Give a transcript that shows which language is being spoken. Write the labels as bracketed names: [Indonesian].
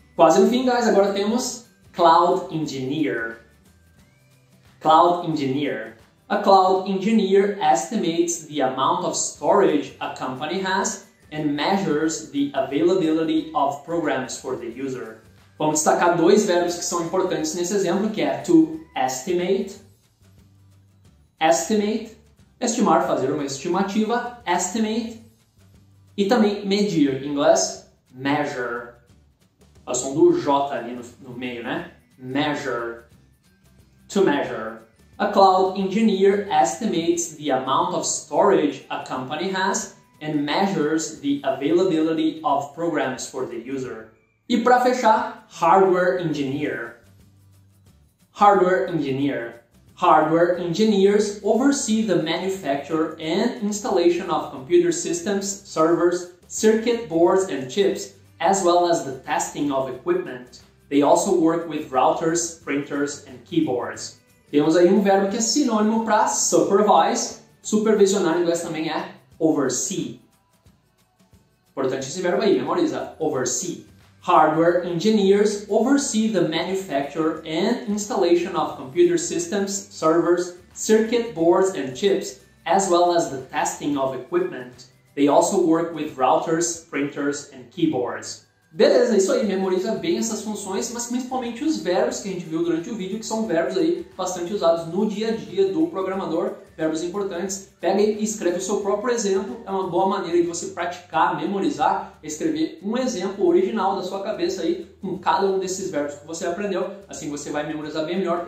[Portuguese] Quase no fim, guys, agora temos cloud engineer. [English] Cloud engineer. A cloud engineer estimates the amount of storage a company has and measures the availability of programs for the user. [Portuguese] Vamos destacar dois verbos que são importantes nesse exemplo, que é to estimate. Estimate. Estimar, fazer uma estimativa, estimate, e também medir, em inglês, measure. O som do J ali no meio, né? Measure, to measure. [English] A cloud engineer estimates the amount of storage a company has and measures the availability of programs for the user. [Portuguese] E para fechar, hardware engineer. Hardware engineer. [English] Hardware engineers oversee the manufacture and installation of computer systems, servers, circuit boards and chips, as well as the testing of equipment. They also work with routers, printers and keyboards. [Portuguese] Temos aí um verbo que é sinônimo para supervise. Supervisionar em inglês também é oversee. Importante esse verbo aí, memoriza, oversee. [English] Hardware engineers oversee the manufacture and installation of computer systems, servers, circuit boards and chips, as well as the testing of equipment. They also work with routers, printers and keyboards. [Portuguese] Beleza, isso aí, memoriza bem essas funções, mas principalmente os verbos que a gente viu durante o vídeo, que são verbos aí bastante usados no dia a dia do programador, verbos importantes. Pega aí e escreve o seu próprio exemplo, é uma boa maneira de você praticar, memorizar, escrever um exemplo original da sua cabeça aí com cada um desses verbos que você aprendeu, assim você vai memorizar bem melhor.